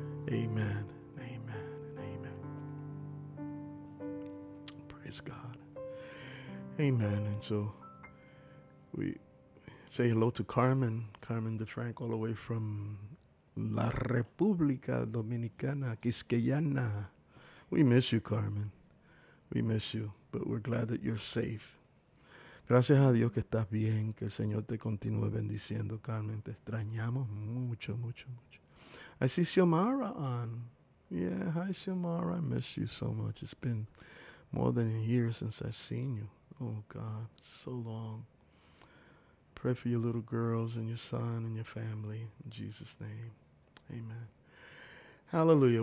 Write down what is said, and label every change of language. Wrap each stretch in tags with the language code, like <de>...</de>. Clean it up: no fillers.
<en>Amen, amen, and amen. Praise God. Amen. And so we say hello to Carmen, Carmen DeFranco, all the way from La República Dominicana, Quisqueyana. We miss you, Carmen. We miss you, but we're glad that you're safe.</en> <es>Gracias a Dios que estás bien, que el Señor te continúe bendiciendo, Carmen. Te extrañamos mucho, mucho, mucho.</es> <en>I see Xiomara on. Yeah, hi, Xiomara. I miss you so much. It's been more than a year since I've seen you. Oh, God, so long. Pray for your little girls and your son and your family. In Jesus' name, amen. Hallelujah.</en>